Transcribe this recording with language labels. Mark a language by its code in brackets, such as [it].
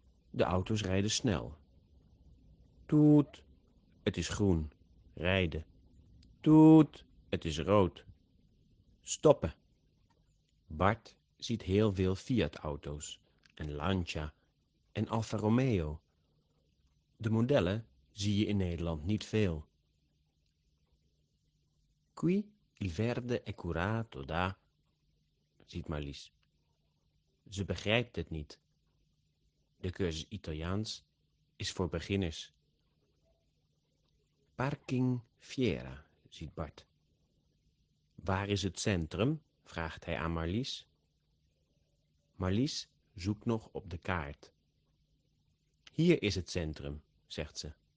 [nl] De auto's rijden snel. Toet, het is groen. Rijden. Toet, het is rood. Stoppen. Bart ziet heel veel Fiat-auto's en Lancia en Alfa Romeo. De modellen zie je in Nederland niet veel. [it] Qui il verde è curato da, [nl] ziet Marlies. Ze begrijpt het niet. De cursus Italiaans is voor beginners. Parking Fiera, ziet Bart. Waar is het centrum, vraagt hij aan Marlies. Marlies zoekt nog op de kaart. Hier is het centrum, zegt ze.